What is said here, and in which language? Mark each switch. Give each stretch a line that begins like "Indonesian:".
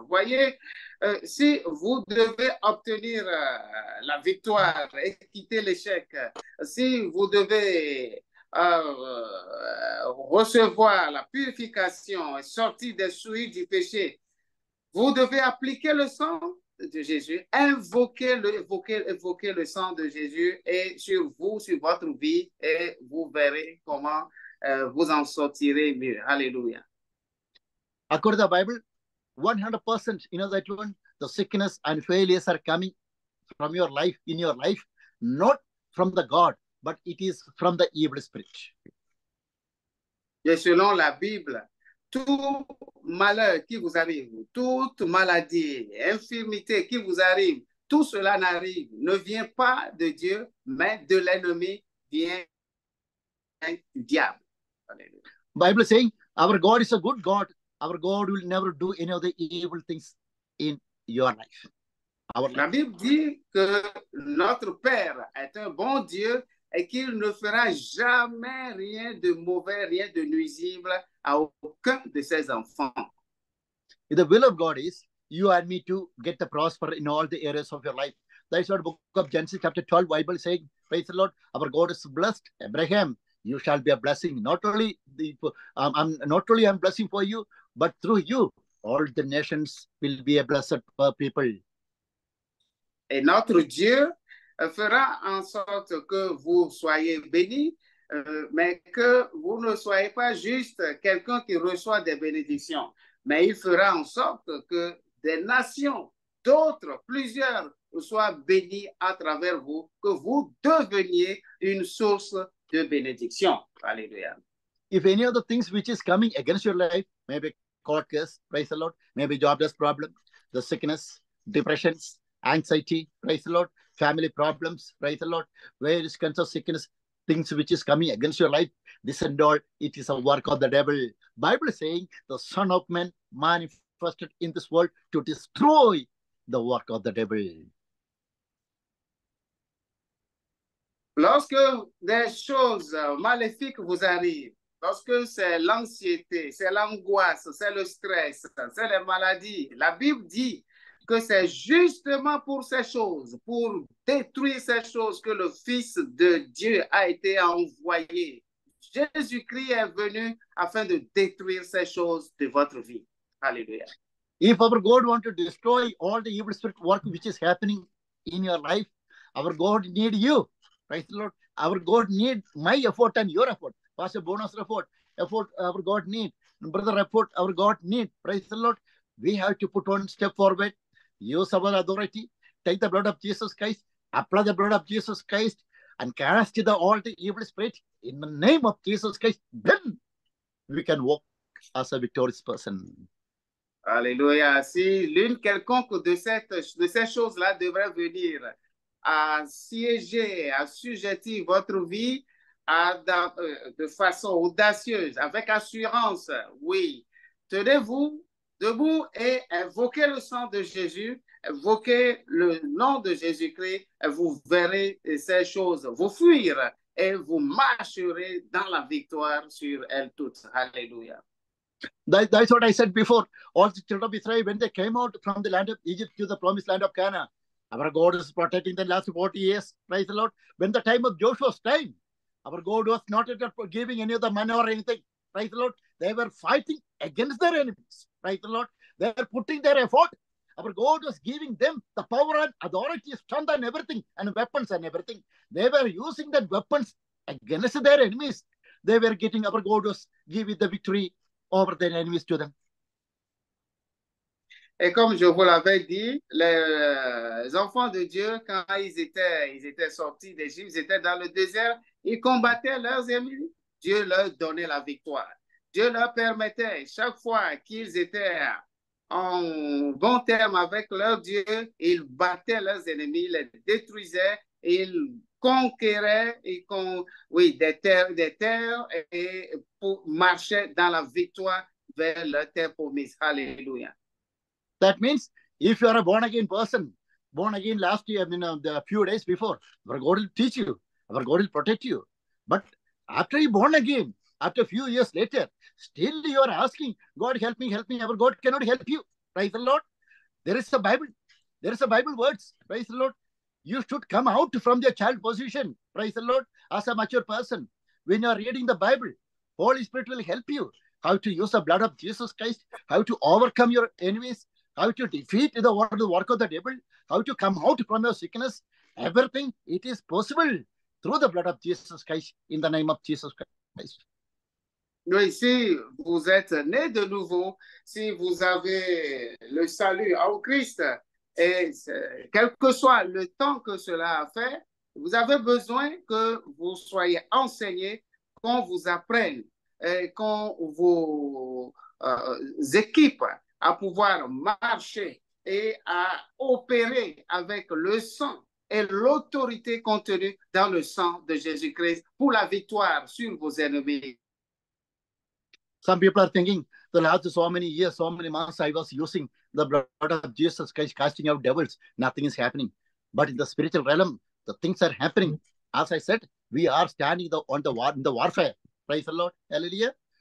French: Voyez, si vous devez obtenir la victoire et quitter l'échec, si vous devez recevoir la purification et sortir des souillures du péché, vous devez appliquer le sang de Jésus, invoquer le sang de Jésus et sur vous, sur votre vie, et vous verrez comment vous en sortirez mieux. Alléluia.
English: According to the Bible, 100%, that one, the sickness and failures are coming from your life, in your life, not from the God, but it is from the evil spirit.
French: Et selon la Bible, tout malheur qui vous arrive, toute maladie, infirmité qui vous arrive, tout cela n'arrive, ne vient pas de Dieu, mais de l'ennemi, vient du diable. Alléluia.
English: Bible saying, our God is a good God. Our God will never do any of the evil things in your life.
French: La Bible dit que notre Père est un bon Dieu, et qu'il ne fera jamais rien de mauvais, rien de nuisible à aucun de ses enfants.
English: The will of God is you and me to get the prosper in all the areas of your life. That is what the book of Genesis chapter 12, Bible saying, praise the Lord, our God is blessed. Abraham, you shall be a blessing. Not only I'm blessing for you, but through you, all the nations will be a blessed people.
French: Et notre Dieu fera en sorte que vous soyez bénis, mais que vous ne soyez pas juste quelqu'un qui reçoit des bénédictions. Mais il fera en sorte que des nations, d'autres, plusieurs, soient bénis à travers vous, que vous deveniez une source de bénédictions. Alléluia.
English: If any of the things which is coming against your life, maybe court case, praise the Lord, maybe jobless problem, the sickness, depressions, anxiety, praise the Lord, family problems, praise the Lord, various kinds of sickness, things which is coming against your life, this and all, it is a work of the devil. Bible is saying, the Son of Man manifested in this world to destroy the work of the devil.
French: Lorsque des choses maléfiques vous arrivent, lorsque c'est l'anxiété, c'est l'angoisse, c'est le stress, c'est les maladies, la Bible dit que c'est justement pour ces choses, pour détruire ces choses, que le Fils de Dieu a été envoyé. Jésus-Christ est venu afin de détruire ces choses de votre vie. Alléluia.
English: If our God wants to destroy all the evil spirit work which is happening in your life. Our God need you. Praise the Lord. Our God need my effort and your effort. Pastor Bonus effort. Effort our God need. Brother effort our God need. Praise the Lord. We have to put one step forward. Use our authority. Take the blood of Jesus Christ. Apply the blood of Jesus Christ. And cast the all the evil spirit in the name of Jesus Christ. Then we can walk as a victorious person.
French: Alléluia. Si l'une quelconque de ces choses-là devrait venir à siéger, à sujetir votre vie de façon audacieuse, avec assurance, oui, tenez-vous debout et invoquez le sang de Jésus, invoquez le nom de Jésus-Christ, et vous verrez ces choses vous fuir et vous marcherez dans la victoire sur elles toutes. Alléluia.
English: That's what I said before. All the children of Israel, when they came out from the land of Egypt to the promised land of Canaan, our God is protecting the last 40 years. Praise the Lord. When the time of Joshua's time, our God was not giving any other manna or anything. Praise the Lord. They were fighting against their enemies. Praise the Lord. They were putting their effort. Our God was giving them the power and authority, strength and everything, and weapons and everything. They were using that weapons against their enemies. They were getting our God was giving the victory over their enemies to them.
French: Et comme je vous l'avais dit, les enfants de Dieu, quand ils étaient sortis d'Égypte, ils étaient dans le désert, ils combattaient leurs ennemis. Dieu leur donnait la victoire. Dieu leur permettait, chaque fois qu'ils étaient en bon terme avec leur Dieu, ils battaient leurs ennemis, les détruisaient, ils conquéraient des terres et marchaient dans la victoire vers leur terre promise. Alléluia.
English: That means if you are a born-again person, born again last year, the few days before, our God will teach you, our God will protect you. But after you're born again, after a few years later, still you are asking, God help me, our God cannot help you. Praise the Lord. There is a Bible words. Praise the Lord. You should come out from your child position. Praise the Lord. As a mature person, when you are reading the Bible, Holy Spirit will help you how to use the blood of Jesus Christ, how to overcome your enemies, how to defeat the work of the devil, how to come out from your sickness, everything, it is possible through the blood of Jesus Christ, in the name of Jesus Christ.
French: Oui, si vous êtes né de nouveau, si vous avez le salut en Christ, et quel que soit le temps que cela a fait, vous avez besoin que vous soyez enseigné, qu'on vous apprenne, et qu'on vous équipe à pouvoir marcher et à opérer avec le sang et l'autorité contenue dans le sang de Jésus-Christ pour la victoire sur vos ennemis.
English: Some people are thinking, the last so many years, so many months, I was using the blood of Jesus Christ, casting out devils. Nothing is happening. But in the spiritual realm, the things are happening. As I said, we are standing in the warfare. Praise the Lord. Hallelujah.